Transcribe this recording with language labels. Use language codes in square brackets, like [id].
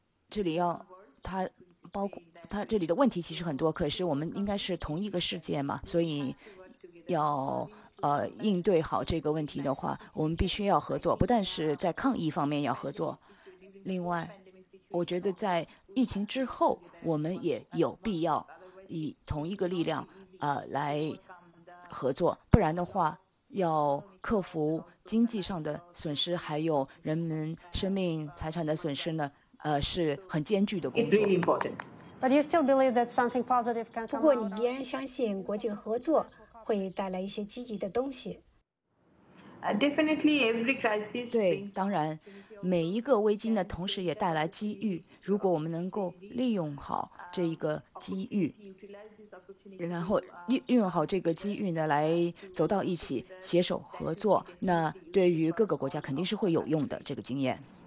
[zh] 这里要它包括它这里的问题其实很多，可是我们应该是同一个世界嘛，所以要应对好这个问题的话，我们必须要合作，不但是在抗疫方面要合作，另外我觉得在疫情之后我们也有必要以同一个力量来合作，不然的话要克服经济上的损失还有人们生命财产的损失呢是很艰巨的工作。 [en] But you still believe that something positive can come out. [zh] 不过你依然相信国际合作会带来一些积极的东西。 [en] Definitely every crisis. [zh] 对，当然，每一个危机呢，同时也带来机遇。如果我们能够利用好这一个机遇，然后运用好这个机遇呢，来走到一起，携手合作，那对于各个国家肯定是会有用的这个经验。